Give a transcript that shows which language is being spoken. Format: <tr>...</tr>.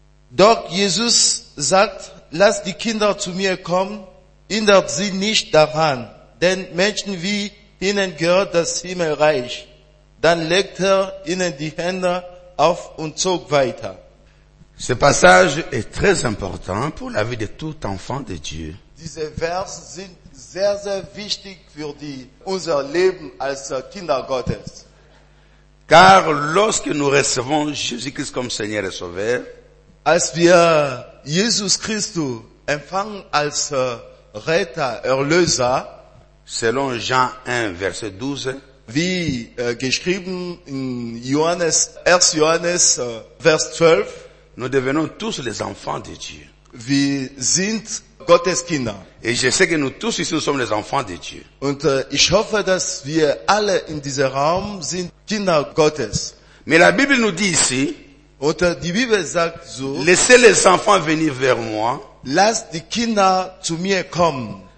<de>Doch Jesus sagt, lass die Kinder zu mir kommen, hindert sie nicht daran, denn Menschen wie ihnen gehört das Himmelreich. Dann legt er ihnen die Hände auf und zog weiter.</de> <fr>Ce passage est très important pour la vie de tout enfant de Dieu.</fr> <de>Diese Verse sind sehr, sehr wichtig für unser Leben als Kinder Gottes.</de> <fr>Car lorsque nous recevons Jésus-Christ comme Seigneur et Sauveur,</fr> <de>als wir Jesus Christus empfangen als Retter, Erlöser,</de> <fr>selon Jean 1, verset 12,</fr> <de>wie geschrieben in Johannes, 1. Johannes, Vers 12,</de> <fr>nous devenons tous les enfants de Dieu.</fr> <de>Wir sind Gottes Kinder.</de> <fr>Et je sais que nous tous ici nous sommes les enfants de Dieu.</fr> <de>Und ich hoffe, dass wir alle in diesem Raum sind Kinder Gottes.</de> <fr>Mais la Bible nous dit ici.</fr> <de>Und die Bibel sagt so.</de> <fr>Laissez les enfants venir vers moi.</fr> <de>Lass die Kinder zu mir kommen.</de>